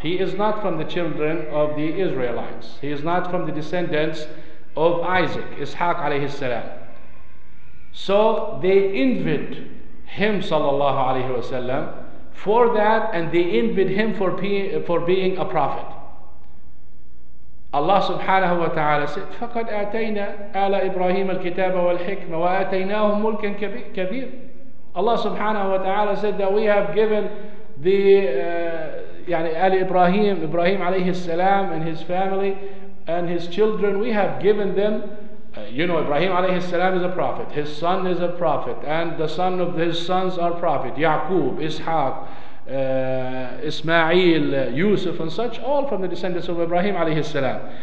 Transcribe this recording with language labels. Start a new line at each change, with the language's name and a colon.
English: He is not from the children of the Israelites. He is not from the descendants of Isaac, Ishaq alayhi salam. So they envied him sallallahu alayhi wa sallam for that, and they envied him for being a prophet. Allah subhanahu wa ta'ala said,
Arabic: فَقَدْ آتَيْنَا آلَ إِبْرَاهِيمَ الْكِتَابَ وَالْحِكْمَ وَآتَيْنَاهُمْ مُلْكًا كَبِيرًا.
English: Allah subhanahu wa ta'ala said that we have given the آل إبراهيم, إبراهيم عليه السلام and his family and his children, we have given them, Ibrahim عليه السلام is a prophet, his son is a prophet, and the son of his sons are prophet, Yaqub, Ishaq, Ismail, Yusuf and such, all from the descendants of Ibrahim alayhi salam.